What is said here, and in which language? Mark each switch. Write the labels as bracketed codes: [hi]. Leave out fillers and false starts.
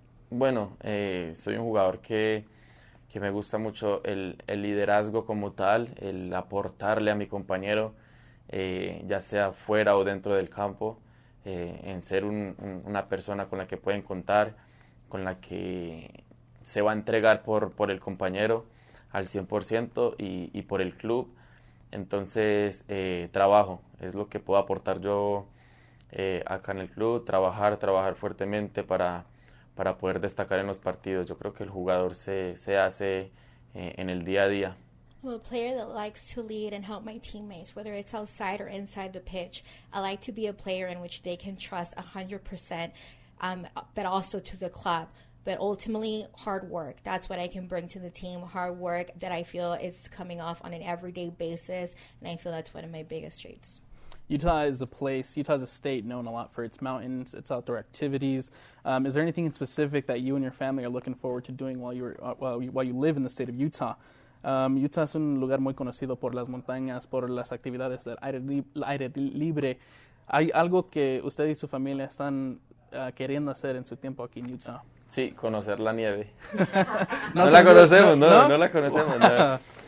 [es] Bueno, soy un jugador que me gusta mucho el liderazgo como tal, el aportarle a mi compañero, ya sea fuera o dentro del campo, en ser una persona con la que pueden contar, con la que se va a entregar por el compañero al 100% y por el club. Entonces, trabajo, es lo que puedo aportar yo acá en el club, trabajar fuertemente para poder destacar en los partidos. Yo creo que el jugador se hace en el día a día. [en] I'm a player that likes to lead and help my teammates, whether it's outside or inside the pitch. I like to be a player in which they can trust 100%, but also to the club. But ultimately, hard work. That's what I can bring to the team. Hard work that I feel is coming off on an everyday basis. And I feel that's one of my biggest traits. Utah is a state known a lot for its mountains, its outdoor activities. Is there anything in specific that you and your family are looking forward to doing while you live in the state of Utah? [es] Utah es un lugar muy conocido por las montañas, por las actividades del aire libre. ¿Hay algo que usted y su familia están queriendo hacer en su tiempo aquí en Utah? Sí, conocer la nieve. No la conocemos. No.